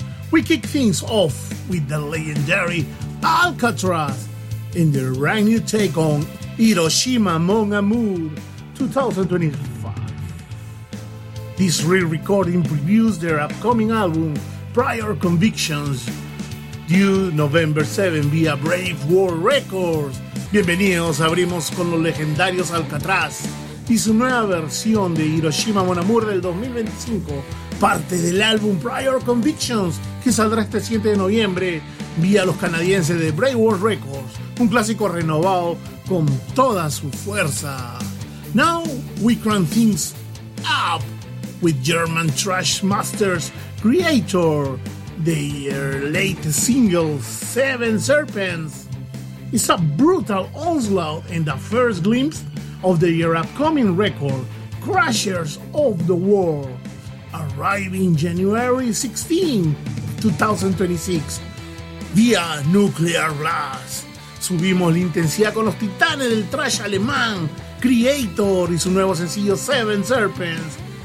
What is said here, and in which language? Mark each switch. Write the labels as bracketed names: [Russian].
[English] We kick things off with the legendary Alcatraz in their brand new take on Hiroshima Mon Amour 2025. This re-recording previews their upcoming album, Prior Convictions, due November 7 via Brave World Records. [Spanish] Bienvenidos, abrimos con los legendarios Alcatraz y su nueva versión de Hiroshima Mon Amour del 2025, parte del álbum Prior Convictions, que saldrá este 7 de noviembre vía los canadienses de Brave World Records, un clásico renovado con toda su fuerza. [English] Now we crank things up with German Trash Masters Creator, their late single Seven Serpents. It's a brutal onslaught and the first glimpse of their upcoming record, Crushers of the World, arriving January 16, 2026, via Nuclear Blast. [Spanish] Subimos la intensidad con los titanes del trash alemán, Creator y su nuevo sencillo Seven Serpents.